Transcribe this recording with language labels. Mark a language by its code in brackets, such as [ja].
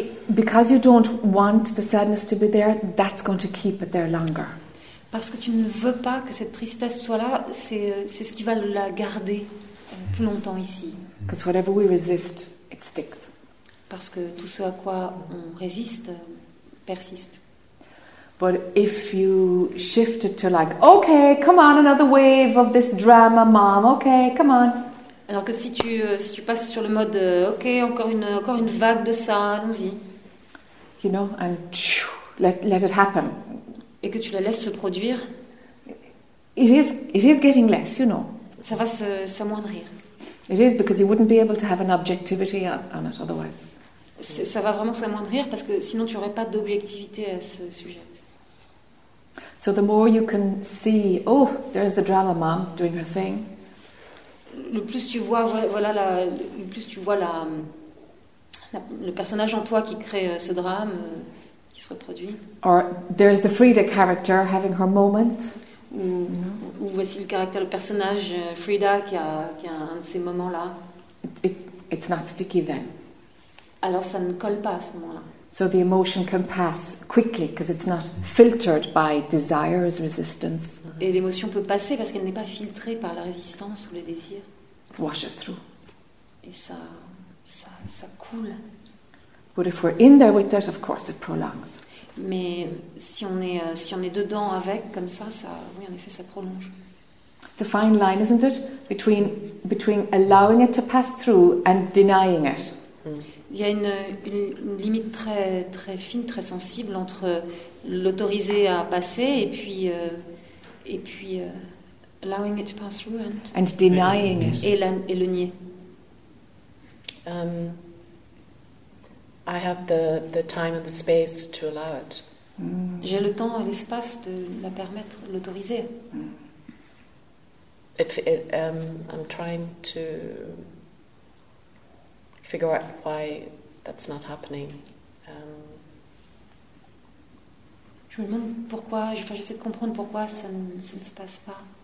[en] Because you don't want the sadness to be there, that's going to keep it there longer. [fr] Parce que tu ne veux pas que cette tristesse soit là, c'est ce qui va la garder plus longtemps ici. [en] Because whatever we resist, it sticks. [fr] Parce que tout ce à quoi on résiste persiste. [en] But if you shift it to like, okay, come on, another wave of this drama, mom, okay, come on. [fr] Alors que si tu passes sur le mode, okay, encore une vague de ça, allons-y. [en] You know, and let it happen. [fr] Et que tu la laisses se produire. [en] It is getting less, you know. [fr] Ça va s'amoindrir. [en] It is, because you wouldn't be able to have an objectivity on it otherwise. [fr] Ça va vraiment s'amoindrir parce que sinon tu n'aurais pas d'objectivité à ce sujet. [en] So the more you can see, oh, there's the drama mom doing her thing. [fr] Le plus tu vois, voilà, le plus tu vois le personnage en toi qui crée ce drame, qui se reproduit. [en] Or there's the Frida character having her moment. [fr] Ou voici le personnage Frida qui a un de ces moments là. [en] It's not sticky then. [fr] Alors ça ne colle pas à ce moment là. [en] So the emotion can pass quickly because it's not filtered by desire's resistance. [fr] Et l'émotion peut passer parce qu'elle n'est pas filtrée par la résistance ou les désirs. [en] Washes through. [fr] Et ça coule. [en] But if we're in there with it, of course, it prolongs. [fr] Mais si on est dedans avec, comme ça, ça, oui, en effet, ça prolonge. [en] It's a fine line, isn't it, between allowing it to pass through and denying it. [fr] Il y a une limite très très fine, très sensible entre l'autoriser à passer et puis [en] allowing it to pass through and denying it [fr] et le nier. [en] I have the time and the space to allow it. [fr] J'ai le temps et l'espace de la permettre, l'autoriser. [en] I'm trying to figure out why that's not happening. [fr] Je me demande pourquoi. Enfin, j'essaie de comprendre pourquoi ça ne se passe pas.